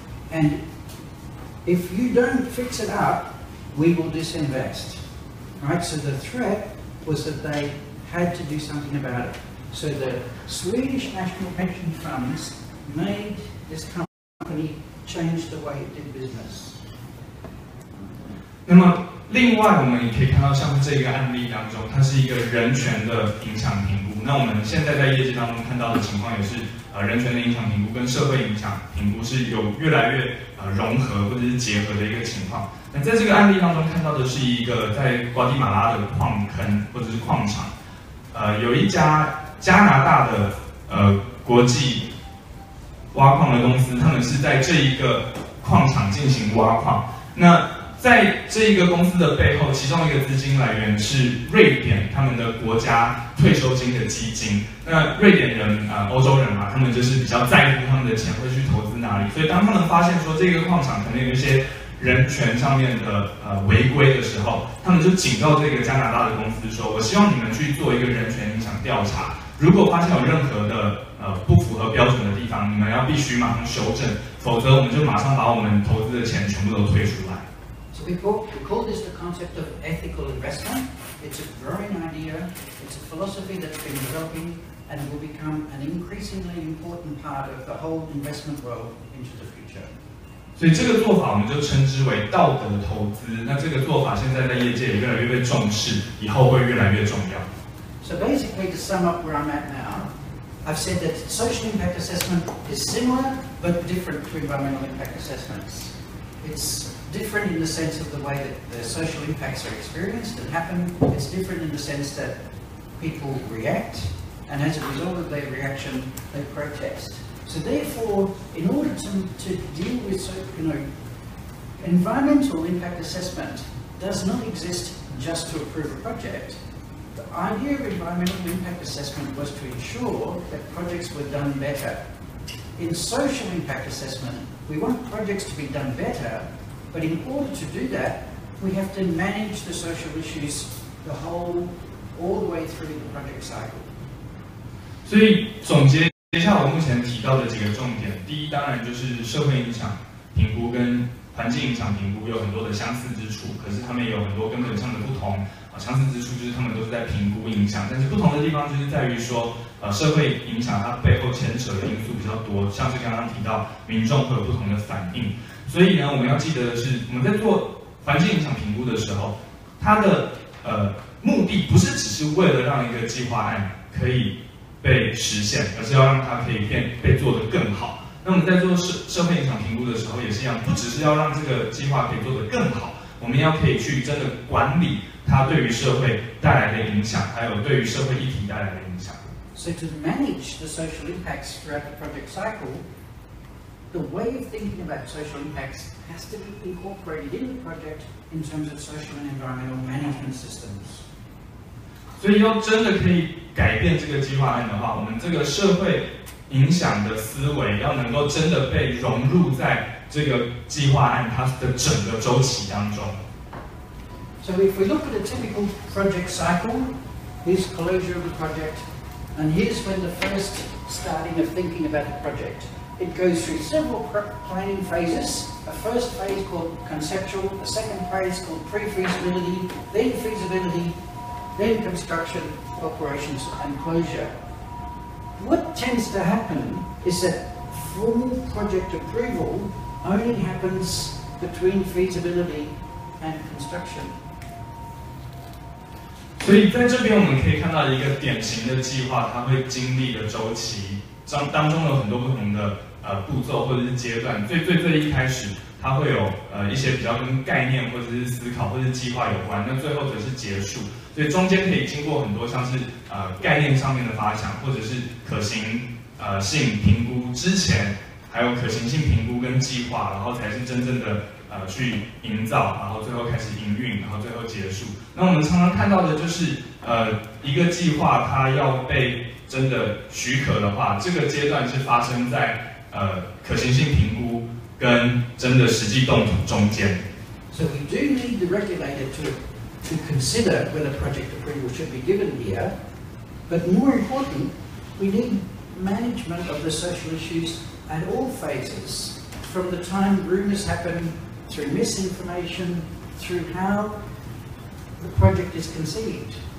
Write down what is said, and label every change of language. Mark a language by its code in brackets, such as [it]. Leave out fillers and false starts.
[en] And if you don't fix it up, we will disinvest. Right? So the threat was that they had to do something about it. So the Swedish National Pension Funds made this company change the way it did business. [zh] 那么另外我们也可以看到像这个案例当中它是一个人权的影响评估，那我们现在在业界当中看到的情况也是人权的影响评估跟社会影响评估是有越来越融合或者是结合的一个情况。那在这个案例当中看到的是一个在瓜地马拉的矿坑或者是矿场，有一家加拿大的国际挖矿的公司，他们是在这一个矿场进行挖矿。那在这一个公司的背后，其中一个资金来源是瑞典他们的国家退休金的基金。那瑞典人欧洲人嘛，他们就是比较在乎他们的钱会去投资哪里，所以当他们发现说这个矿场可能有一些人权上面的违规的时候，他们就警告这个加拿大的公司说，我希望你们去做一个人权影响调查，如果发现有任何的不符合标准的地方，你们要必须马上修正，否则我们就马上把我们投资的钱全部都退出来。 [en] So we call this the concept of ethical investment. It's a growing idea. It's a philosophy that's been developing and will become an increasingly important part of the whole investment world into the future. [zh] 所以这个做法我们就称之为道德投资。那这个做法现在在业界也越来越被重视，以后会越来越重要。 [en] So basically, to sum up where I'm at now, I've said that social impact assessment is similar but different to environmental impact assessments. It's different in the sense of the way that the social impacts are experienced and happen. It's different in the sense that people react, and as a result of their reaction, they protest. So therefore, in order to deal with, environmental impact assessment does not exist just to approve a project. The idea of environmental impact assessment was to ensure that projects were done better. In social impact assessment, we want projects to be done better,But in order to do that, we have to manage the social issues all the way through the project cycle. [zh] 所以总结一下我目前提到的几个重点，第一当然就是社会影响评估跟环境影响评估有很多的相似之处，可是他们也有很多根本上的不同。相似之处就是他们都是在评估影响，但是不同的地方就是在于说社会影响它背后牵扯的因素比较多，像是刚刚提到民众会有不同的反应。所以呢，我们要记得的是，我们在做环境影响评估的时候，它的目的不是只是为了让一个计划案可以被实现，而是要让它可以被做得更好。那我们在做社会影响评估的时候也是一样，不只是要让这个计划可以做得更好，我们要可以去真的管理它对于社会带来的影响，还有对于社会议题带来的影响。 [en] So to manage the social impacts throughout the project cycle, the way of thinking about social impacts has to be incorporated in the project in terms of social and environmental management systems. [zh] 所以要真的可以改变这个计划案的话，我们这个社会影响的思维要能够真的被融入在这个计划案它的整个周期当中。 [en] So if we look at a typical project cycle, here's closure of the project, and here's when the first starting of thinking about the project. It goes through several planning phases, a first phase called conceptual, a second phase called pre-feasibility, then feasibility, then construction, operations, and closure. What tends to happen is that formal project approval only happens between feasibility and construction. [zh] 所以在这边我们可以看到一个典型的计划，它会经历的周期当中有很多不同的步骤或者是阶段。最一开始它会有一些比较跟概念或者是思考或者是计划有关，那最后则是结束。所以中间可以经过很多像是概念上面的发想，或者是可行性评估之前，还有可行性评估跟计划，然后才是真正的去营造，然后最后开始营运，然后最后结束。那我们常常看到的就是一个计划它要被真的许可的话，这个阶段是发生在可行性评估跟真的实际动土中间。 [en] So we do need the regulator to consider whether project approval should be given here, but more important, we need management of the social issues at all phases, from the time rumors happen, through misinformation, through how the project is conceived.